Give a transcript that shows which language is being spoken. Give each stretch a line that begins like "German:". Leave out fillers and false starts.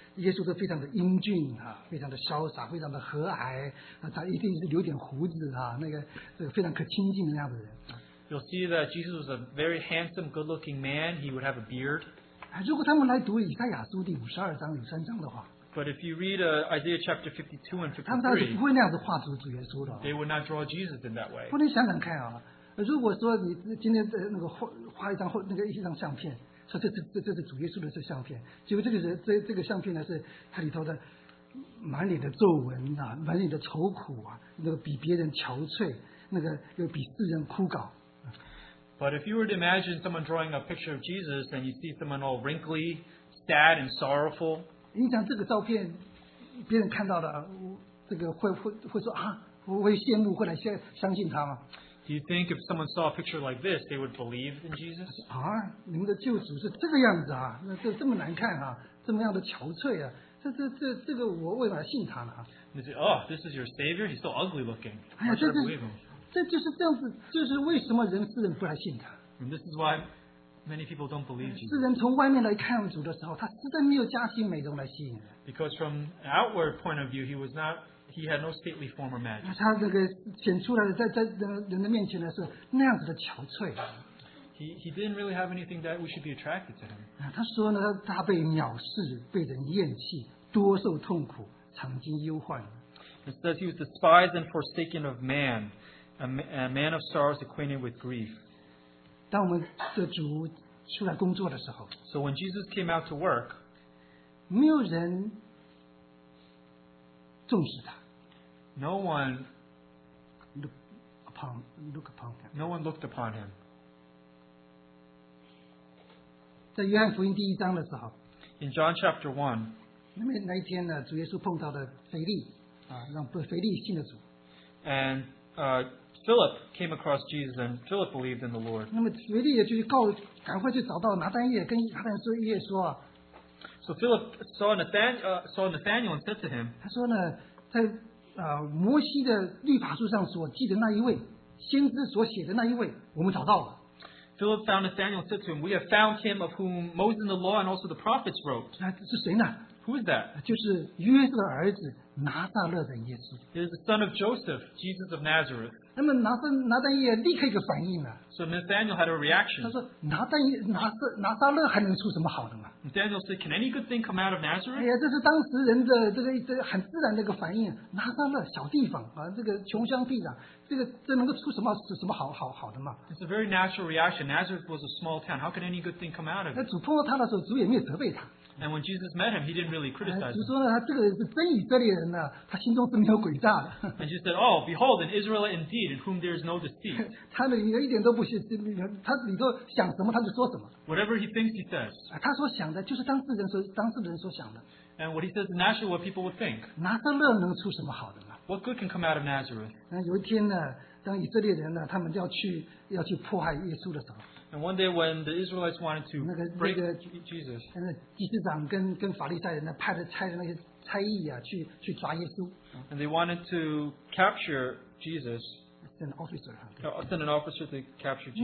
Chinese: 耶稣都非常的英俊啊，非常的潇洒，非常的和蔼啊，他一定是留点胡子啊，那个非常可亲近的那样的人。
English: You'll see that Jesus was a very handsome, good-looking man. He would have a beard.
Chinese: 如果他们来读以赛亚书第五十二章、五十三章的话
English: ，But if you read Isaiah chapter 52 and 53,
Chinese: 他们当然不会那样子画主耶稣的。
English: They would not draw Jesus in that way.
Chinese: 不能想想看啊，如果说你今天的那个画一张那个一张相片。说这是主耶稣的这相片，结果这个相片呢是他里头的满脸的皱纹啊，满脸的愁苦啊，那个比别人憔悴，那个又比世人枯槁。
English: But if you were to imagine someone drawing a picture of Jesus and you see someone all wrinkly, sad and sorrowful,
Chinese: 你想这个照片，别人看到了，这个会说啊，我会羡慕，会来相信他吗？
English: Do you think if someone saw a picture like this, they would believe in Jesus?
Chinese: 啊，你们的救主是这个样子啊，那这么难看啊，这么样的憔悴啊，这个我为什么信他呢？你说
English: ，Oh, this is your savior. He's so ugly looking. I should believe him.
Chinese: 这就是这样子，就是为什么世人不来信他。
English: And this is why many people don't believe Jesus.
Chinese: 世人从外面来看主的时候，他实在没有加薪美容来吸引人。
English: Because from an outward point of view, he was not. He had no stately form or majesty.
Chinese: 他这个显出来的在人的面前呢是那样子的憔悴。
English: He didn't really have anything that we should be attracted to him.
Chinese: 他说呢，他被藐视，被人厌弃，多受痛苦，常经忧患。
English: It says he was despised and forsaken of man, a man of sorrows acquainted with grief.
Chinese: 当我们的主出来工作的时候
English: ，So when Jesus came out to work,
Chinese: 没有人。重视他。
English: No one looked upon him. No one looked upon him.
Chinese: 在约翰福音第一章的时候。
English: In John chapter 1.
Chinese: 那一天呢，主耶稣碰到了腓力，让腓力信了主。
English: And Philip came across Jesus, and Philip believed in the Lord.
Chinese: 那么腓力也就赶快去找到拿单叶，跟拿单叶说。
English: So Philip saw Nathanael and said to him,
Chinese: 他说呢，在摩西的律法书上所记的那一位先知所写的那一位，我们找到了。
English: Philip found Nathanael and said to him, "We have found him of whom Moses and the law and also the prophets wrote."
Chinese: 那是谁呢
English: ？Who is that?
Chinese: 就是约瑟的儿子拿撒勒人耶稣。
English: It is the son of Joseph, Jesus of Nazareth.
Chinese: 那么拿单叶立刻一个反应了。
English: So Nathanael had a reaction.
Chinese: 他说拿撒勒还能出什么好的吗？
English: Nathanael said, "Can any good thing come out of Nazareth?"
Chinese: 哎呀，这是当时人的这个很自然的一个反应。拿撒勒小地方啊，这个穷乡僻壤，这能够出什么好的吗？
English: It's a very natural reaction. Nazareth was a small town. How can any good thing come out of it?
Chinese: 那主碰到他的时候，主也没有责备他。
English: And when Jesus met him, he didn't really criticize him.
Chinese: 主说呢，他这个人是真以色列人呢，他心中是没有诡诈的。
English: And Jesus said, "Oh, behold, an Israelite indeed, in whom there is no deceit."
Chinese: 他里面一点都不是，他里头想什么他就说什么。
English: Whatever he thinks, he says.
Chinese: 他所想的就是当事人所想的。
English: And what he says is naturally what people would think.
Chinese: 拿撒勒能出什么好的呢
English: ？What good can come out of Nazareth?
Chinese: 有一天呢，当以色列人呢，他们要去迫害耶稣的时候。
English: And one day when the Israelites wanted to break Jesus,
Chinese: 祭司长跟法利赛人呢派的差人那些差役啊去抓耶稣。
English: And they wanted to capture Jesus. send an officer. Send an officer to capture Jesus.